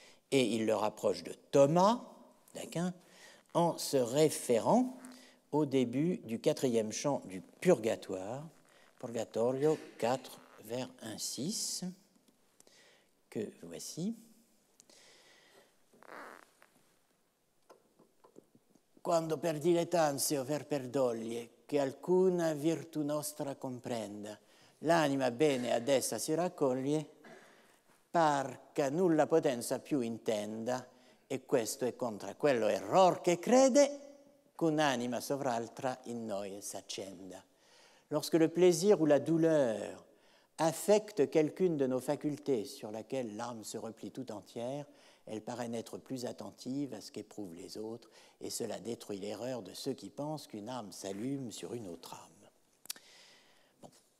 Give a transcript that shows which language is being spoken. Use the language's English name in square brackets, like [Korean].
[French] Et il le rapproche de Thomas, d'Aquin, en se référant au début du quatrième chant du Purgatoire, Purgatorio 4, vers 1-6, que voici. [Italian] Quando per dilettanze o per perdoglie, che alcuna virtù nostra comprenda, l'anima bene ad essa si raccoglie, par che nulla potenza più intenda, e questo è contra quello error che crede, qu'un'anima sovraltra in noi s'accenda. [French] Lorsque le plaisir ou la douleur affecte quelqu'une de nos facultés sur laquelle l'âme se replie tout entière, elle paraît n'être plus attentive à ce qu'éprouvent les autres, et cela détruit l'erreur de ceux qui pensent qu'une âme s'allume sur une autre âme. Bon.